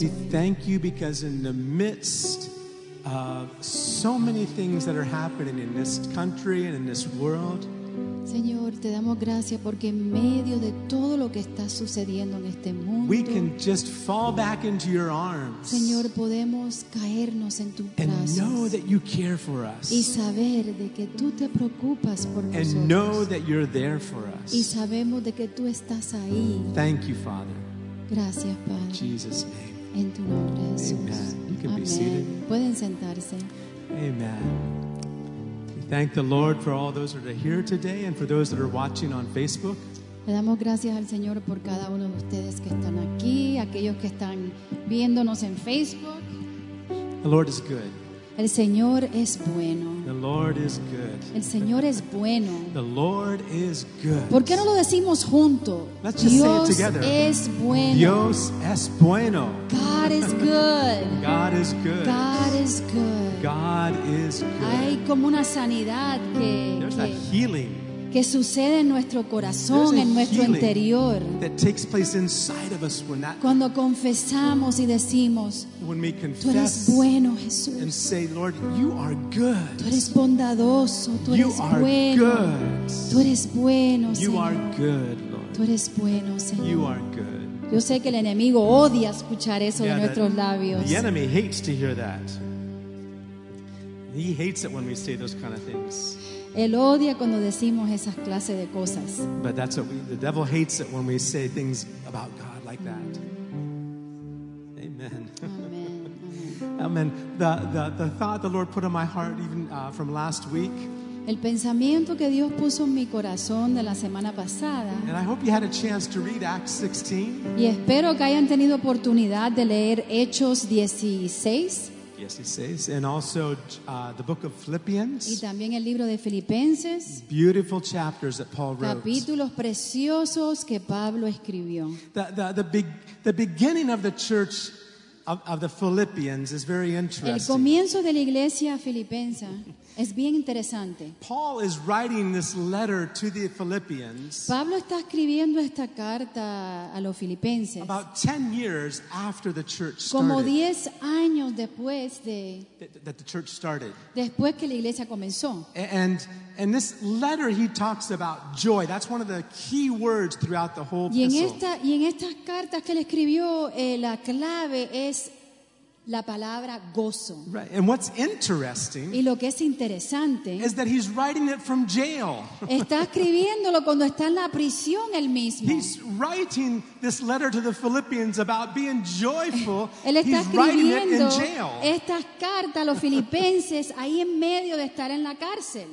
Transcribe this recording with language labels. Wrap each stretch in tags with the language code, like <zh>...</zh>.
<en>We thank you because in the midst of so many things that are happening in this country and in this world,</en> <es>Señor, te damos gracias porque en medio de todo lo que está sucediendo en este mundo,</es> <en>we can just fall back into your arms,</en> <es>Señor, podemos caernos en tus</es> <en>and</en> <es>brazos,</es> <en>know that you care for us,</en> <es>y saber de que tú te preocupas por</es> <en>and</en> <es>nosotros,</es> <en>know that you're there for us,</en> <es>y sabemos de que tú estás ahí.</es> <en>Thank you, Father.</en> <es>Gracias, Padre.</es> <en>In Jesus' name.</en> <es>En tu nombre, Jesús.</es> <en>Amen. You can</en> <es>Amen.</es> <en>Be seated.</en> <es>Pueden sentarse. Amen.</es> <en>Thank the Lord for all those that are here today and for those that are watching on Facebook.</en> <es>Le damos gracias al Señor por cada uno de ustedes que están aquí, aquellos que están viéndonos en Facebook.</es> <en>The Lord is good.</en> <es>El Señor es bueno.</es> <en>The Lord is good.</en> <es>El Señor es bueno.</es> <en>The Lord is good.</en> <es>¿Por qué no lo decimos junto?</es> <en>Let's just</en> <es>Dios</es> <en>say it together.</en> <es>Es bueno. Dios es bueno.</es> <en>God is good. God is good. God is good. God is good.</en> <es>Hay como una sanidad que</es> <en>there's a healing</en> <es>que sucede en nuestro corazón, en nuestro interior.</es> <en>That takes place inside of us when that,</en> <es>cuando confesamos y decimos,</es> <en>when we confess,</en> <es>tú eres bueno, Jesús.</es> <en>And say, Lord, you are good.</en> <es>Tú eres bondadoso, tú</es> <en>you</en> <es>eres</es> <en>are</en> <es>bueno.</es> <en>Good.</en> <es>Tú eres bueno,</es> <en>you</en> <es>Señor.</es> <en>Are good, Lord.</en> <es>Tú eres bueno, Señor.</es> <en>You are good.</en> <es>Yo sé que el enemigo odia escuchar eso de nuestros labios.</es> <en>The enemy hates to hear that. He hates it when we say those kind of things.</en> <es>Él odia cuando decimos esas clases de cosas.</es> <en>But that's what the devil hates it when we say things about God like that. Amen. Amen. Amen. Amen. The thought the Lord put in my heart even from last week.</en> <es>El pensamiento que Dios puso en mi corazón de la semana pasada.</es> <en>And I hope you had a chance to read Acts 16.</en> <es>Y espero que hayan tenido oportunidad de leer Hechos 16.</es> <en>Yes, he says, and also the book of Philippians.</en> <es>Y también el libro de Filipenses.</es> <en>Beautiful chapters that Paul wrote.</en> <es>Capítulos preciosos que Pablo escribió.</es> <en>The beginning of the church of the Philippians is very interesting.</en> <es>El comienzo de la iglesia filipense es bien interesante.</es> <en>Paul is writing this letter to the Philippians.</en> <es>Pablo está escribiendo esta carta a los filipenses.</es> <en>About 10 years after the church started.</en> <es>Como 10 años después de</es> <en>that the church started.</en> <es>Después que la iglesia comenzó.</es> <en>And this letter he talks about joy. That's one of the key words throughout the whole epistle.</en> <es>Y en estas cartas que él escribió, la clave es la palabra gozo.</es> <en>Right. And what's interesting,</en> <es>y lo que es interesante,</es> <en>is that he's writing it from jail.</en> <es>Está escribiéndolo cuando está en la prisión él mismo.</es> <en>He's writing this letter to the Philippians about being joyful.</en> <es>Él está escribiendo</es> <en>in jail.</en> <es>Estas cartas a los filipenses ahí en medio de estar en la cárcel.</es>